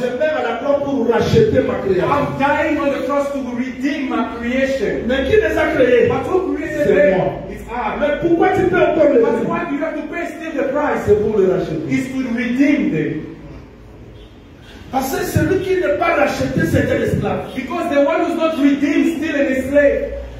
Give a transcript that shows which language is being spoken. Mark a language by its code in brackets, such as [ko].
[fr] Je meurs à la croix pour racheter ma création. [en] I'm dying on the cross to redeem my creation. [fr] Mais qui les a créés? [en] But who created them? [fr] C'est moi. [en] It's I. [fr] Mais pourquoi tu peux encore les? [en] But why do you have to pay still the price? [fr] C'est pour les racheter. [en] It's to redeem them. [fr] Parce que celui qui n'est pas racheté, c'est un esclave. [en] Because the one who's not redeemed still an slave.